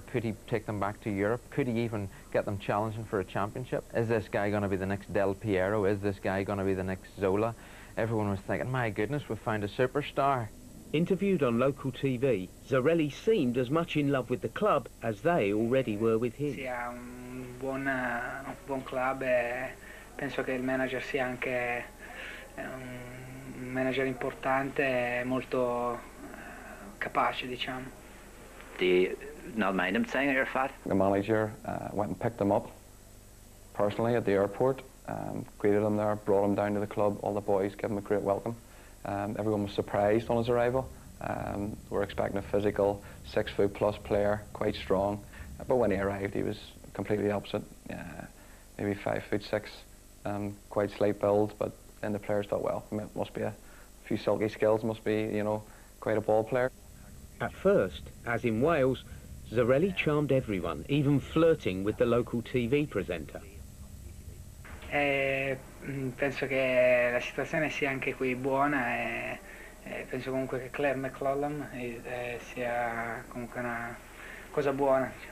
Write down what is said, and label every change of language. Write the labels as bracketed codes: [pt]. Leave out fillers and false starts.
[en] Could he take them back to Europe? Could he even get them challenging for a championship? Is this guy going to be the next Del Piero? Is this guy going to be the next Zola? Everyone was thinking, my goodness, we've found a superstar. Interviewed on local TV, Zarelli seemed as much in love with the club as they already were with him. [it] Sì, un buon club, penso che il manager sia anche un manager importante, molto capace, diciamo. [en] Do you not mind him saying that you're fat? The manager went and picked him up personally at the airport, greeted him there, brought him down to the club, all the boys gave him a great welcome. Everyone was surprised on his arrival. We're expecting a physical, 6 foot plus player, quite strong. But when he arrived, he was completely opposite. Maybe 5 foot six, quite slight build. But then the players thought, well, it must be a few silky skills, must be, you know, quite a ball player. At first, as in Wales, Zarelli charmed everyone, even flirting with the local TV presenter. [it] Penso che la situazione sia anche qui buona e penso comunque che Claire McClellan sia comunque una cosa buona.